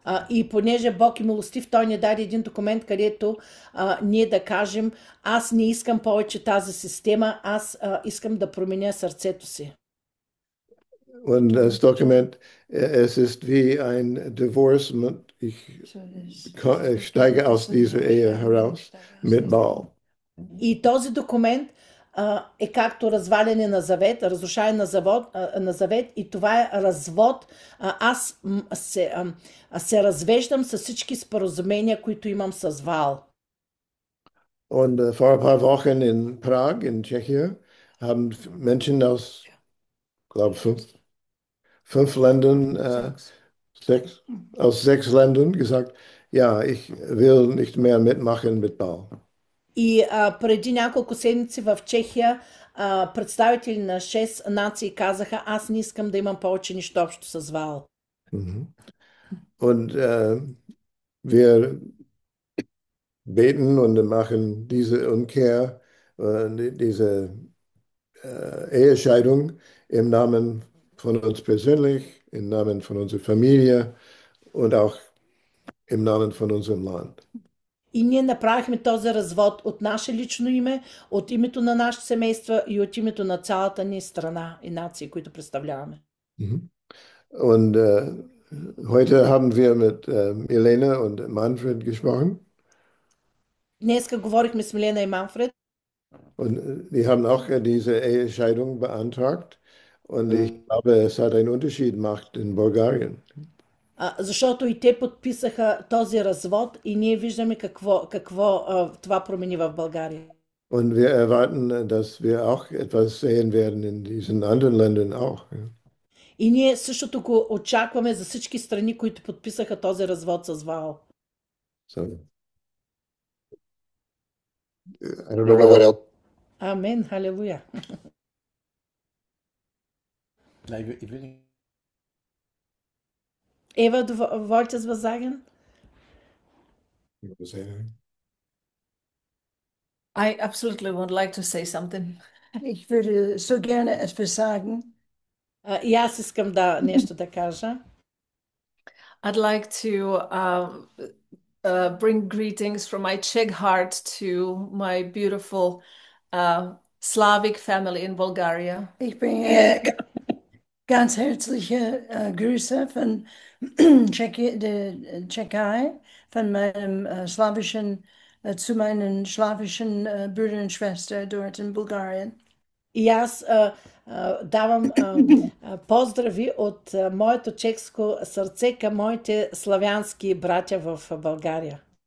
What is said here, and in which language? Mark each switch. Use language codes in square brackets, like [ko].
[bg] И понеже Бог е милостив, Той ни даде един документ, където ние да кажем: аз не искам повече тази система, аз искам да променя сърцето си. [de] Und das Dokument, es ist wie ein Divorce. Ich steige aus dieser Ehe heraus mit Baal. [bg] И този документ е както разваляне на завет, разрушаване на завет, и това е развод. Аз се развеждам с всички споразумения, които имам с Вал. [de] Und vor ein paar Wochen in Prag, in Tschechien, haben Menschen aus, glaube ich, fünf Ländern, Sechs. sechs. Aus sechs Ländern gesagt, ja, ich will nicht mehr mitmachen mit Bau. [bg] И преди няколко седмици в Чехия представители на 6 нации казаха: аз не искам да имам повече нищо общо с Вал. [de] Und wir beten und machen diese Umkehr, diese Ehescheidung im Namen von uns persönlich, im Namen von unserer Familie. Und auch im Namen von unserem Land. [bg] И ние направихме този развод от наше лично име, от името на нашите семейства и от името на цялата ни страна и нации, които представляваме. [de] Und heute haben wir mit Elena und Manfred gesprochen. [bg] Днеска говорихме с Милена и Манфред. [de] Und die haben auch diese Ehescheidung beantragt. Und ich glaube, es hat einen Unterschied gemacht in Bulgarien. [bg] Защото и те подписаха този развод и ние виждаме какво това промени в България. [de] Und wir erwarten, dass wir auch etwas sehen werden in diesen anderen Ländern auch. [bg] И ние същото го очакваме за всички страни, които подписаха този развод с ВАО. [en] So. I don't know what [bg] Амин. [en] else. [bg] Амин. Халелуя. [de] Eva, du wolltest was sagen? [en] I absolutely would like to say something. [de] Ich würde so gerne etwas sagen. Ja, es ist kam da nächste der Kaja. [en] I'd like to bring greetings from my Czech heart to my beautiful Slavic family in Bulgaria. [de] Ich bringe ganz herzliche Grüße von der Tschechei, von meinem slawischen zu meinen slawischen Brüdern und Schwestern dort in Bulgarien. [bg] И аз давам поздрави от моето чешко сърце към моите славянски братя в България.